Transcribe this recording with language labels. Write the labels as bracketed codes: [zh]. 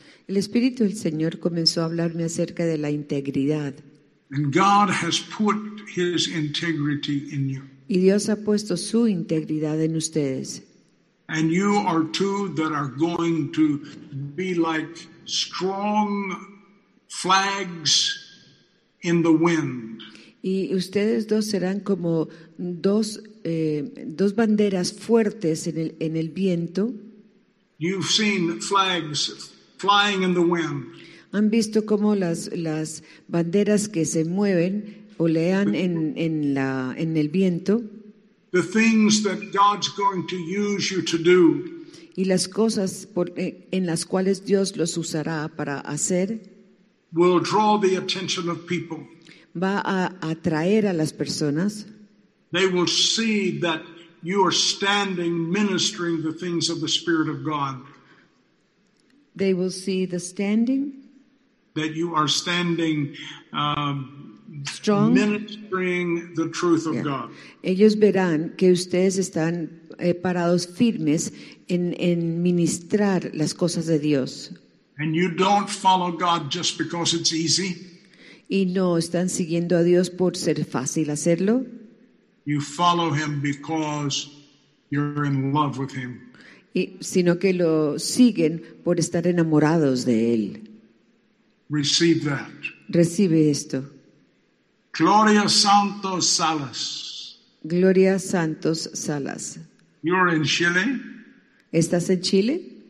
[es] El Espíritu del Señor comenzó a hablarme acerca de la integridad. [en] And God has put His integrity in you. [es] Y Dios ha puesto su integridad en ustedes. [en] And you are two that are going to be like strong flags in the wind. [es] Y ustedes dos serán como dos banderas fuertes en el viento. [en] You've seen flags flying in the wind. [es] Han visto como las banderas que se mueven o lean en el viento. [en] The things that God's going to use you to do. [es] Y las cosas en las cuales Dios los usará para hacer. [en] Will draw the attention of people. [es] Va a atraer a las personas. [en] They will see that you are standing ministering the things of the Spirit of God. They will see the standing. That you are standing strong. Ministering the truth of God. [es] Ellos verán que ustedes están parados firmes en ministrar las cosas de Dios. [en] And you don't follow God just because it's easy. [es] Y no están siguiendo a Dios por ser fácil hacerlo. [en] You follow Him because you're in love with Him. [es] Sino que lo siguen por estar enamorados de Él. [en] Receive that. [es] Recibe esto. Gloria Santos Salas. Gloria Santos Salas. [en] You're in Chile? [es] ¿Estás en Chile?